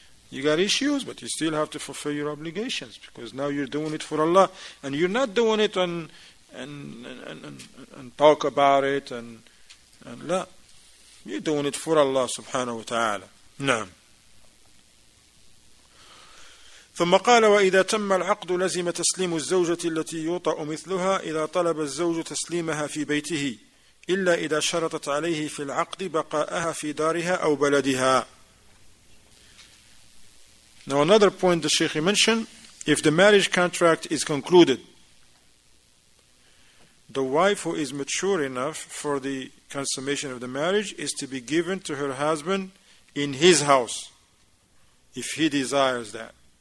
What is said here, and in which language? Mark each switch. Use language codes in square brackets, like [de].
[en] You got issues, but you still have to fulfill your obligations because now you're doing it for Allah. And you're not doing it on... And talk about it and la, you're doing it for Allah subhanahu wa ta'ala. [ar] نعم. ثم قال وإذا تم العقد لزم تسليم الزوجة التي يوطأ مثلها إذا طلب الزوج تسليمها في بيته إلا إذا شرطت عليه في العقد بقاءها في دارها أو بلدها. [en] Now another point the Sheikh mentioned, if the marriage contract is concluded, the wife who is mature enough for the consummation of the marriage is to be given to her husband in his house, if he desires that.